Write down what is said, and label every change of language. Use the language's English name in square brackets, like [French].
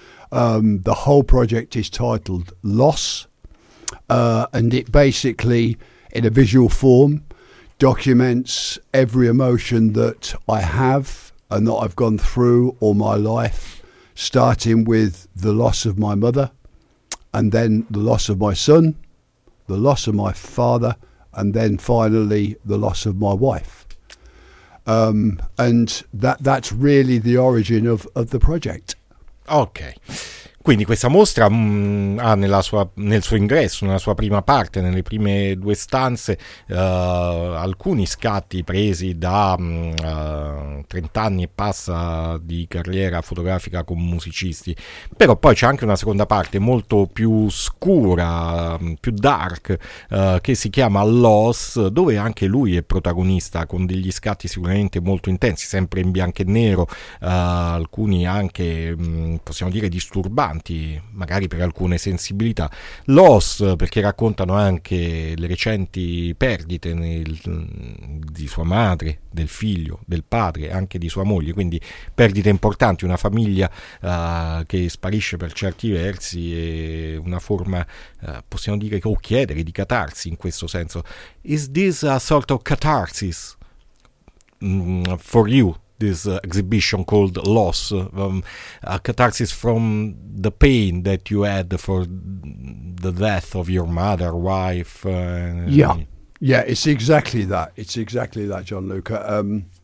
[English] The whole project is titled Loss, and it basically, in a visual form, documents every emotion that I have and that I've gone through all my life, starting with the loss of my mother, and then the loss of my son, the loss of my father, and then finally the loss of my wife. And that's really the origin of the project. Okay. [Italian] Quindi questa mostra ha nel suo ingresso, nella sua prima parte, nelle prime due stanze, alcuni scatti presi da 30 anni e passa di carriera fotografica con musicisti, però poi c'è anche una seconda parte molto più scura, più dark, che si chiama Loss, dove anche lui è protagonista con degli scatti sicuramente molto intensi, sempre in bianco e nero, alcuni anche possiamo dire disturbanti, magari per alcune sensibilità. Loss, perché raccontano anche le recenti perdite di sua madre, del figlio, del padre, anche di sua moglie, quindi perdite importanti, una famiglia che sparisce per certi versi, e una forma, possiamo dire, o chiedere di catarsi in questo senso. [English] Is this a sort of catharsis for you? This exhibition called Loss, a catharsis from the pain that you had for the death of your mother, wife. Yeah, it's exactly that. It's exactly that, Gianluca.